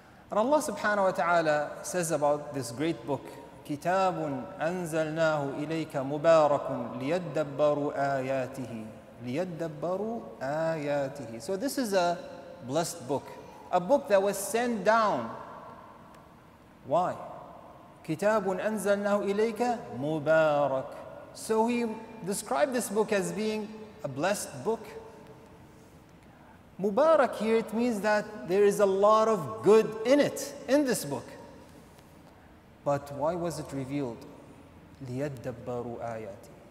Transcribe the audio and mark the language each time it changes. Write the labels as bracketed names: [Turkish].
[English] And Allah subhanahu wa ta'ala says about this great book, [Arabic] كِتَابٌ أَنزَلْنَاهُ إِلَيْكَ مُبَارَكٌ لِيَدَّبَّرُوا آيَاتِهِ [English] لِيَدَّبَّرُوا آيَاتِهِ. So this is a blessed book, a book that was sent down. Why? [Arabic] كِتَابٌ أَنزَلْنَاهُ إِلَيْكَ مُبَارَكٌ. [English] So he described this book as being a blessed book. Mubarak here, it means that there is a lot of good in it, in this book. But why was it revealed? [Arabic] لِيَدَّبَّرُوا آيَاتِ.